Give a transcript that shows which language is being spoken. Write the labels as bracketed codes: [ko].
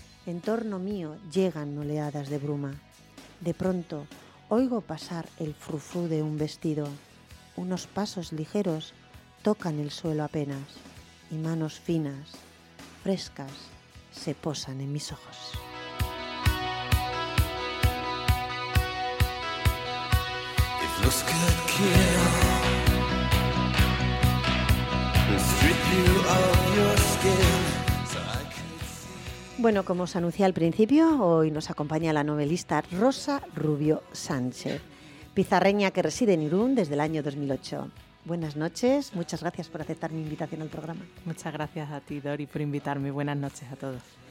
[es] En torno mío llegan oleadas de bruma. De pronto oigo pasar el frufru de un vestido. Unos pasos ligeros tocan el suelo apenas y manos finas, frescas, se posan en mis ojos. [en] Looks could kill and strip you of your skin. [es] Bueno, como os anuncié al principio, hoy nos acompaña la novelista Rosa Rubio Sánchez, pizarreña que reside en Irún desde el año 2008. Buenas noches, muchas gracias por aceptar mi invitación al programa. Muchas gracias a ti, Dory, por invitarme. Buenas noches a todos.